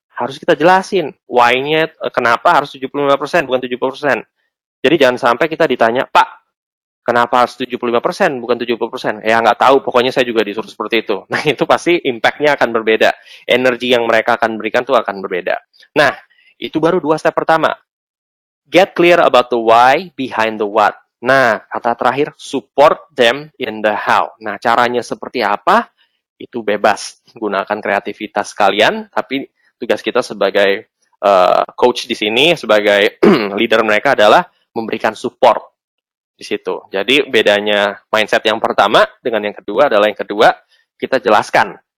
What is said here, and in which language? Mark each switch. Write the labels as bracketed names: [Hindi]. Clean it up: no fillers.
[Indonesian] Harus kita jelasin why-nya, kenapa harus 75% bukan 70%. Jadi jangan sampai kita ditanya, Pak, kenapa harus 75% bukan 70%? Ya nggak tahu, pokoknya saya juga disuruh seperti itu. Nah, itu pasti impact-nya akan berbeda. Energi yang mereka akan berikan itu akan berbeda. Nah, itu baru 2 step pertama. [English] Get clear about the why behind the what. [Indonesian] Nah, kata terakhir, [English] support them in the how. [Indonesian] Nah, caranya seperti apa? Itu bebas. Gunakan kreativitas kalian, tapi tugas kita sebagai coach di sini, sebagai leader mereka adalah memberikan support. di situ. Jadi bedanya mindset yang pertama dengan yang kedua adalah yang kedua kita jelaskan.